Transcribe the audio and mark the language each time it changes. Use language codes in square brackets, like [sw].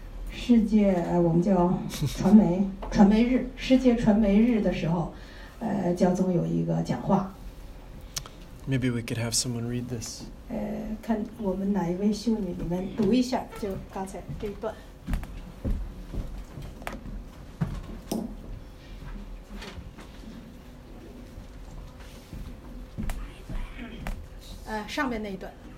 [zh] 世界我们叫传媒日，世界传媒日的时候。教宗有一个讲话。 [en] Maybe we could have someone read this. [zh] 看我们哪一位修女，你们读一下，就刚才这一段。上面那一段。